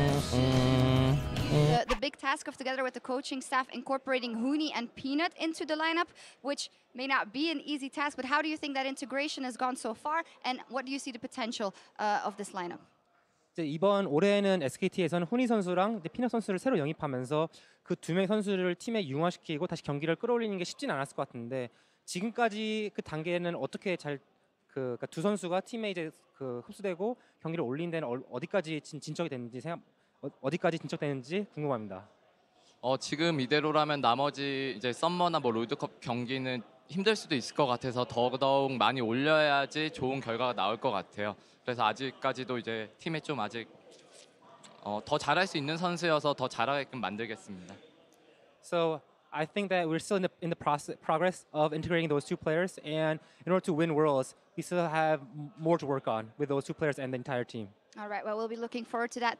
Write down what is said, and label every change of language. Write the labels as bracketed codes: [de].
[en] The big task of, together with the coaching staff, incorporating Hooney and Peanut into the lineup, which may not be an easy task, but how do you think that integration has gone so far, and what do you see the potential of this lineup? [ko] 이번 올해는 SKT에서는 호니 선수랑 피넛 선수를 새로 영입하면서 그 두 명의 선수를 팀에 융화시키고 다시 경기를 끌어올리는 게 쉽진 않았을 것 같은데 지금까지 그 단계는 어떻게 잘 그러니까 두 선수가 팀에 이제 그 흡수되고 경기를 올린 데는 어디까지 진척이 됐는지 어디까지 진척되는지 궁금합니다. 지금 이대로라면 나머지 이제 썸머나 뭐 롤드컵 경기는 힘들 수도 있을 것 같아서 더더욱 많이 올려야지 좋은 결과가 나올 것 같아요. 그래서 아직까지도 이제 팀에 좀 아직 더 잘할 수 있는 선수여서 더 잘하게끔 만들겠습니다. [en] So I think that we're still in the progress of integrating those two players, and in order to win Worlds, we still have more to work on with those two players and the entire team. All right, well, we'll be looking forward to that.